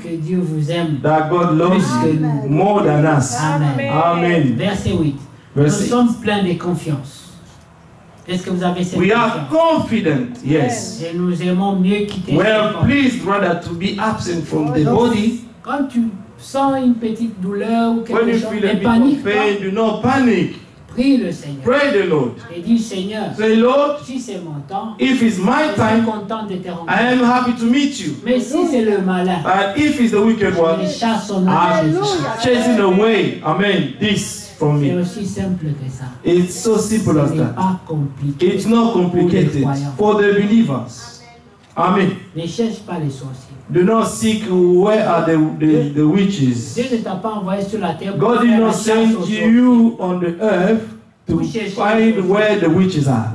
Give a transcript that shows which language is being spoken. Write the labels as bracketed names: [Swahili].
[French] que Dieu vous aime. [English] That God loves [French] plus que nous. [English] More than us. [French] Amen. [English] Amen. [French] Verset 8. [English] Verse [French] nous [English] 8. [French] Sommes pleins de confiance. Est-ce que vous avez cette [English] we [French] confiance? [English] We are confident. Yes. [French] Et nous aimons mieux quitter. [English] Well, pleased rather to be absent from the body. [French] Quand tu sens une petite douleur ou quelque [English] when [French] chose, ne panique pas. [English] Do not panic. [French] Prie le Seigneur. [English] Pray the Lord. [French] Et dis Seigneur. [English] Say Lord. [French] Si c'est mon temps. [English] If it's my time. [French] Je suis content de te rencontrer. [English] I am happy to meet you. [French] Mais si c'est le malin. [English] And if it's the wicked one. [French] Je chasse son âme. [English] Chasing away. Amen. This. For me. [French] C'est aussi simple que ça. [English] It's so simple as that. [French] Pas compliqué. [English] It's not complicated for the believers. Amen. [French] Ne cherche pas les sorciers. [English] Do not seek where are the witches. [French] Dieu ne t'a pas envoyé sur la terre. [English] God did not send you on the earth to find where the witches are.